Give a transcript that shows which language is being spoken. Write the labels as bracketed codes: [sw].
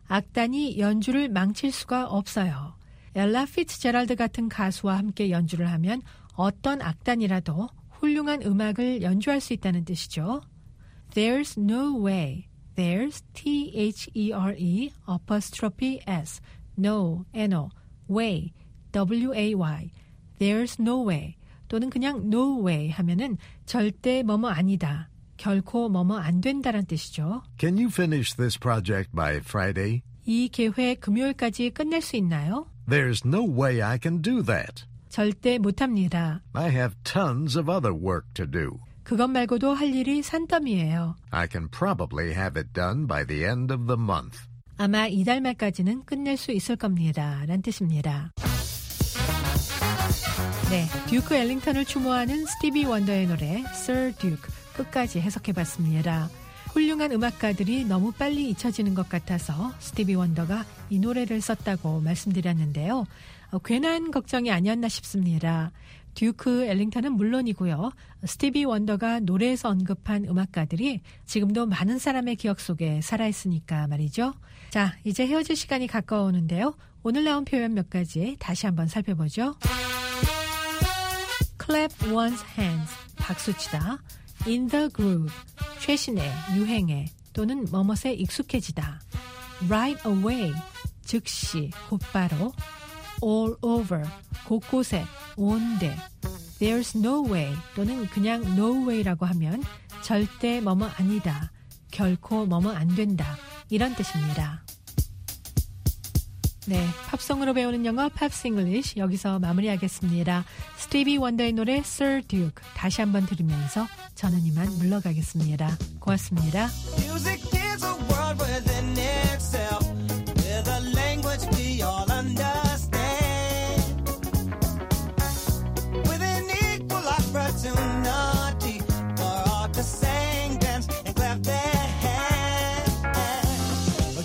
[ko] 악단이 연주를 망칠 수가 없어요. 엘라 피츠제럴드 같은 가수와 함께 연주를 하면 어떤 악단이라도 훌륭한 음악을 연주할 수 있다는 뜻이죠. [en] There's no way. There's T-H-E-R-E, apostrophe S, no, N-O, way, W-A-Y. There's no way. [ko] 또는 그냥 [en] no way [ko] 하면은 절대 뭐뭐 아니다. 결코 뭐뭐 안 된다란 뜻이죠. [en] Can you finish this project by Friday? [ko] 이 계획 금요일까지 끝낼 수 있나요? [en] There's no way I can do that. [ko] 절대 못합니다. [en] I have tons of other work to do. [ko] 그것 말고도 할 일이 산더미예요. [en] I can probably have it done by the end of the month. [ko] 아마 이달 말까지는 끝낼 수 있을 겁니다. 라는 뜻입니다. 네, 듀크 엘링턴을 추모하는 스티비 원더의 노래 Sir Duke 끝까지 해석해봤습니다. 훌륭한 음악가들이 너무 빨리 잊혀지는 것 같아서 스티비 원더가 이 노래를 썼다고 말씀드렸는데요. 괜한 걱정이 아니었나 싶습니다. 듀크 엘링턴은 물론이고요. 스티비 원더가 노래에서 언급한 음악가들이 지금도 많은 사람의 기억 속에 살아있으니까 말이죠. 자, 이제 헤어질 시간이 가까워오는데요. 오늘 나온 표현 몇 가지 다시 한번 살펴보죠. [en] Clap one's hands, [ko] 박수치다. [en] In the groove, [ko] 최신의, 유행의, 또는 뭐뭇에 익숙해지다. [en] Right away, [ko] 즉시, 곧바로. [en] All over, [ko] 곳곳에, 온데. [en] There's no way, [ko] 또는 그냥 [en] no way [ko] 라고 하면 절대 뭐뭐 아니다, 결코 뭐뭐 안 된다, 이런 뜻입니다. 네, 팝송으로 배우는 영어 팝스 잉글리시 여기서 마무리하겠습니다. 스티비 원더의 노래 Sir Duke 다시 한번 들으면서 저는 이만 물러가겠습니다. 고맙습니다. [en] Music is a world within itself with a language we all understand with an equal opportunity for all to sing, dance and clap their hands.